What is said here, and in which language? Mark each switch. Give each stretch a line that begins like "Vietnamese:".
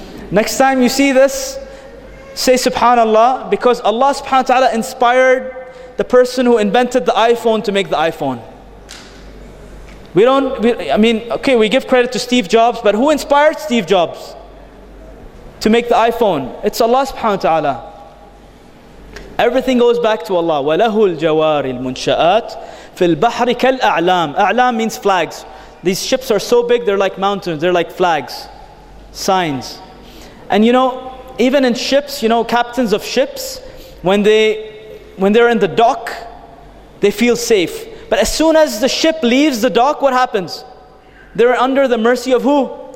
English: Next time you see this, say subhanallah, because Allah subhanahu wa ta'ala inspired the person who invented the iPhone to make the iPhone. We give credit to Steve Jobs, but who inspired Steve Jobs to make the iPhone? It's Allah subhanahu wa ta'ala. Everything goes back to Allah.
Arabic: وَلَهُ الْجَوَارِ الْمُنْشَآتِ فِي الْبَحْرِ كَالْأَعْلَامِ أَعْلَامِ
English: means flags. These ships are so big, they're like mountains, they're like flags, signs. And you know, even in ships, you know, captains of ships, when they're in the dock, they feel safe. But as soon as the ship leaves the dock, what happens? They're under the mercy of who?